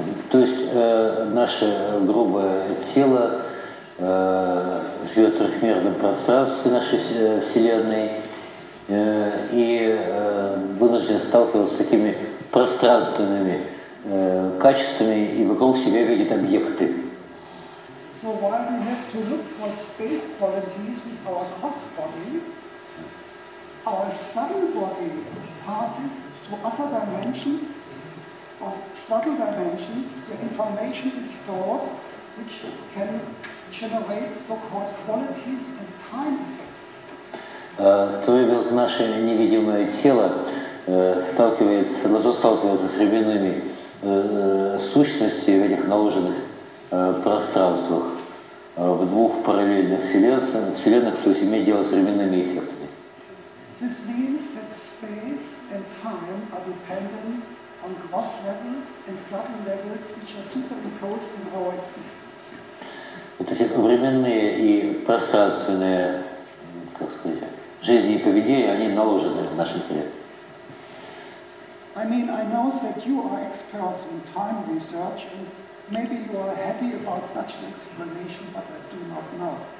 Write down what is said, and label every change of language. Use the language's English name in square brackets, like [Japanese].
[Russian] То есть наше грубое тело живет в трехмерном пространстве нашей Вселенной и вынужден сталкиваться с такими пространственными качествами и вокруг себя видит объекты. [English] So while we have to look for space qualities with our cross body, our subtle body passes through other dimensions of subtle dimensions where information is stored, which can generate so-called qualities and time effects. [Russian] В то время как наше невидимое тело сталкивается с временными сущностями в этих наложенных пространствах, в двух параллельных вселенных, то есть имеет дело с временными эффектами. [English] This means that space and time are dependent on gross level and subtle levels, which are superimposed in our existence. [Russian] Вот эти временные и пространственные, как сказать, жизни и поведения, они наложены в нашем теле. [English] I mean, I know that you are experts in time research, and maybe you are happy about such an explanation, but I do not know.